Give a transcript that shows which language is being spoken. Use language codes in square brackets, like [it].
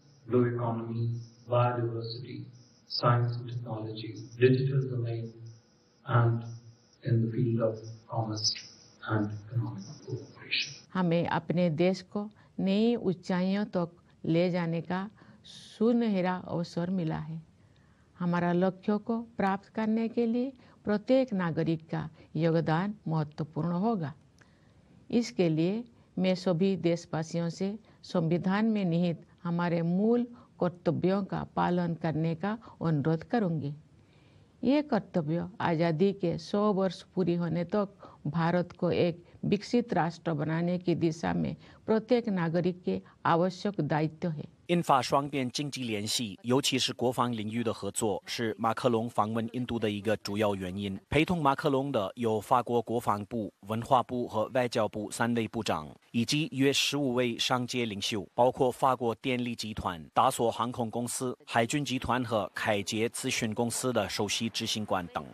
[en] blue economy, biodiversity, science and technology, digital domain, and in the field of commerce and economic cooperation. [hi] हमें अपने देश को नई ऊंचाइयों तक ले जाने का सुनहरा अवसर मिला है। हमारा लक्ष्य को प्राप्त करने के लिए प्रत्येक नागरिक का योगदान महत्वपूर्ण होगा। इसके लिए मैं सभी देशवासियों से संविधान में निहित हमारे मूल कर्तव्यों का पालन करने का अनुरोध करूंगी। ये कर्तव्य आज़ादी के 100 वर्ष पूरी होने तक भारत को एक विकसित राष्ट्र बनाने की दिशा में प्रत्येक नागरिक के आवश्यक दायित्व है。 [zh] 印法双边经济联系，尤其是国防领域的合作，是马克龙访问印度的一个主要原因。陪同马克龙的有法国国防部、文化部和外交部三位部长，以及约15位商界领袖，包括法国电力集团、达索航空公司、海军集团和凯捷咨询公司的首席执行官等。